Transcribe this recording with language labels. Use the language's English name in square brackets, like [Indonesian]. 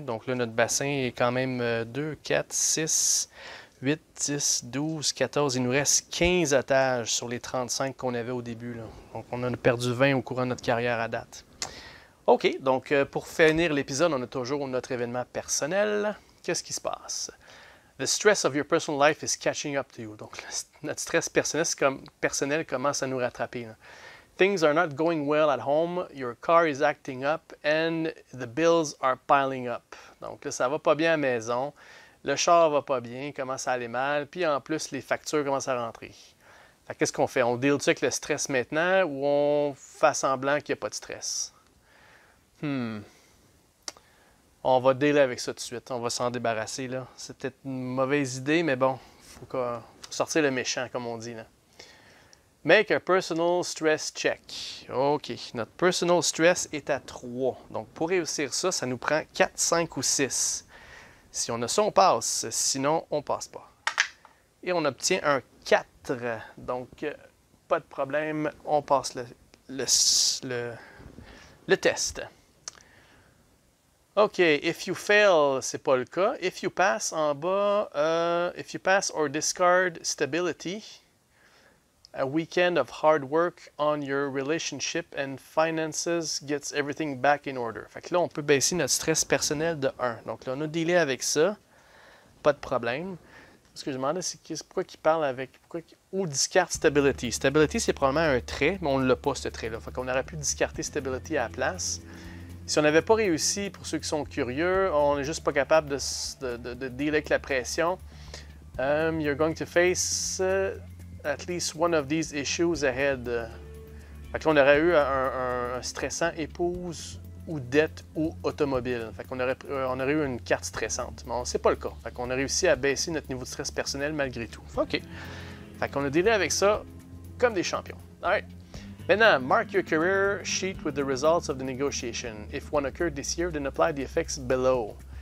[French] Donc, là, notre bassin est quand même 2, 4, 6, 8, 10, 12, 14. Il nous reste 15 otages sur les 35 qu'on avait au début, là. Donc, on en a perdu 20 au courant de notre carrière à date. OK, donc, pour finir l'épisode, on a toujours notre événement personnel. Qu'est-ce qui se passe? [English] The stress of your personal life is catching up to you. [French] Donc, notre stress personnel commence à nous rattraper. [English] Things are not going well at home. Your car is acting up and the bills are piling up. [French] Donc, là, ça va pas bien à la maison. Le char va pas bien, commence à aller mal. Puis en plus, les factures commencent à rentrer. Fait qu'est-ce qu'on fait? On deal-tu avec le stress maintenant ou on fait semblant qu'il n'y a pas de stress? On va dealer avec ça tout de suite. On va s'en débarrasser là. C'est peut-être une mauvaise idée, mais bon, faut sortir le méchant, comme on dit là. [English] Make a personal stress check. [French] OK. Notre personal stress est à 3. Donc, pour réussir ça nous prend 4, 5 ou 6. Si on a ça, on passe. Sinon, on passe pas. Et on obtient un 4. Donc, pas de problème. On passe le test. OK, [English] if you fail, [French] c'est pas le cas. [English] If you pass [French] en bas, [English] if you pass or discard stability, a weekend of hard work on your relationship and finances gets everything back in order. [French] Fait que là, on peut baisser notre stress personnel de 1. Donc là, on a dealé avec ça. Pas de problème. Ce que je demandais, c'est pourquoi qu'il parle avec. Ou discard stability. Stability, c'est probablement un trait, mais on ne l'a pas, ce trait-là. Fait qu'on aurait pu discarder stability à la place. Si on n'avait pas réussi, pour ceux qui sont curieux, on n'est juste pas capable de dealer avec la pression. [English] You're going to face at least one of these issues ahead. [French] Fait que là, on aurait eu un stressant épouse ou dette ou automobile. Fait qu'on aurait eu une carte stressante. Mais c'est pas le cas. Fait qu'on a réussi à baisser notre niveau de stress personnel malgré tout. OK. Fait qu'on a dealé avec ça comme des champions. All right. [English] Maintenant, mark your career sheet with the results of the negotiation. If one occurred this year, then apply the effects below.